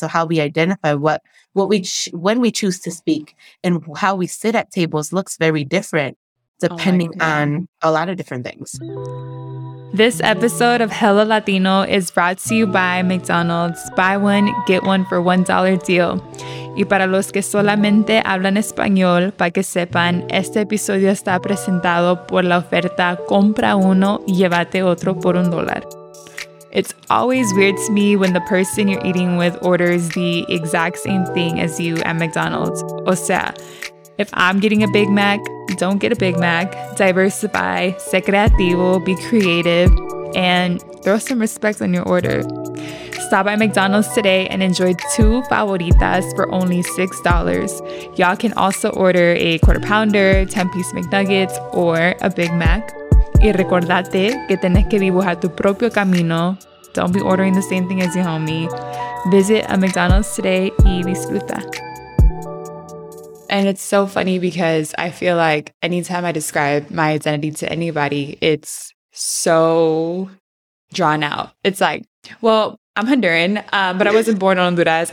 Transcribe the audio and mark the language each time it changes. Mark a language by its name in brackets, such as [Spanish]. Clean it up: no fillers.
[English] So how we identify when we choose to speak and how we sit at tables looks very different depending on a lot of different things. This episode of Hello Latino is brought to you by McDonald's. Buy one, get one for $1 deal. [Spanish] Y para los que solamente hablan español, para que sepan, este episodio está presentado por la oferta Compra Uno y Llévate Otro por $1. [English] It's always weird to me when the person you're eating with orders the exact same thing as you at McDonald's. [Spanish] O sea, [English] if I'm getting a Big Mac, don't get a Big Mac. Diversify, [Spanish] sé creativo, [English] be creative, and throw some respect on your order. Stop by McDonald's today and enjoy two favoritas for only $6. Y'all can also order a quarter pounder, 10-piece McNuggets, or a Big Mac. [Spanish] Y recordate que tienes que dibujar tu propio camino. [English] Don't be ordering the same thing as your homie. Visit a McDonald's today [Spanish] y disfruta. [English] And it's so funny because I feel like anytime I describe my identity to anybody, it's so drawn out. It's like, well, I'm Honduran, but I wasn't born in Honduras.